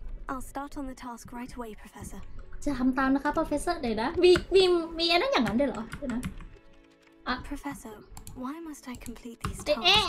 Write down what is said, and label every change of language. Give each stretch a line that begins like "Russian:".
English: I'll start on the task right away, Professor.
Thai: จะทำตามนะคะ professor เดี๋ยวนะมีอะไรนั่นอย่างนั้นด้วยเหรอเดี๋ยวนะ
English: professor why must I complete these tasks